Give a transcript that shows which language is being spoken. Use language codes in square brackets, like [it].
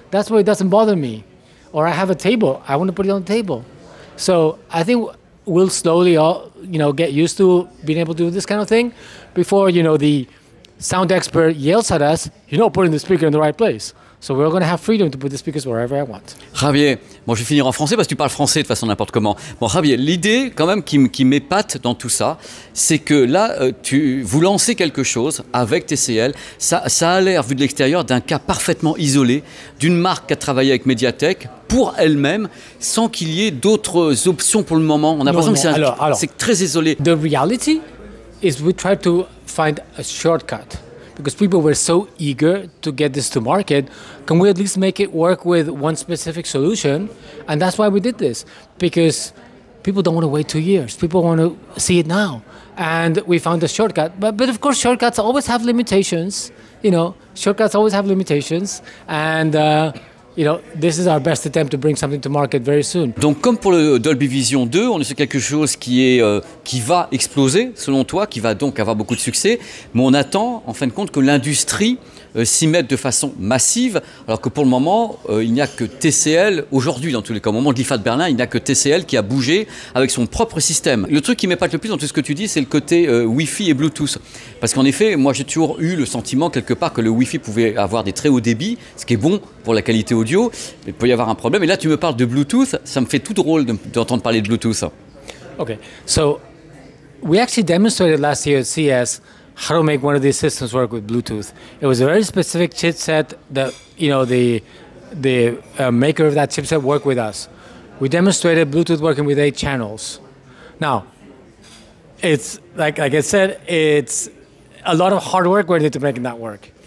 [en] That's where it doesn't bother me. Or I have a table. I want to put it on the table. So I think we'll slowly all, you know, get used to being able to do this kind of thing before, you know, the sound expert yells at us, you know, putting the speaker in the right place. So we're going to have freedom to put the speakers wherever I want. [fr] Javier, moi, je vais finir en français parce que tu parles français de façon n'importe comment. Bon, Javier, l'idée quand même qui m'épate dans tout ça, c'est que là, vous lancez quelque chose avec TCL. Ça a l'air, vu de l'extérieur, d'un cas parfaitement isolé, d'une marque qui a travaillé avec Mediatek pour elle-même, sans qu'il y ait d'autres options pour le moment. On a l'impression que c'est très isolé. [en] The reality is we try to find a shortcut. Because people were so eager to get this to market, can we at least make it work with one specific solution? And that's why we did this, because people don't want to wait 2 years. People want to see it now. And we found a shortcut. But of course, shortcuts always have limitations. You know, shortcuts always have limitations. And, you know, this is our best attempt to bring something to market very soon. [fr] Donc, comme pour le Dolby Vision 2, on est sur quelque chose qui va exploser, selon toi, qui va donc avoir beaucoup de succès. Mais on attend, en fin de compte, que l'industrie s'y mette de façon massive, alors que pour le moment, il n'y a que TCL, aujourd'hui, dans tous les cas, au moment de l'IFA de Berlin, il n'y a que TCL qui a bougé avec son propre système. Le truc qui m'épate le plus dans tout ce que tu dis, c'est le côté Wi-Fi et Bluetooth. Parce qu'en effet, moi, j'ai toujours eu le sentiment, quelque part, que le Wi-Fi pouvait avoir des très hauts débits, ce qui est bon pour la qualité audio, mais il peut y avoir un problème. Et là, tu me parles de Bluetooth, ça me fait tout drôle d'entendre parler de Bluetooth. [en] Ok, so, we actually demonstrated last year at CES how to make one of these systems work with Bluetooth. It was a very specific chipset that, you know, the maker of that chipset worked with us. We demonstrated Bluetooth working with 8 channels. Now, it's like I said, it's a lot of hard work went into making that work.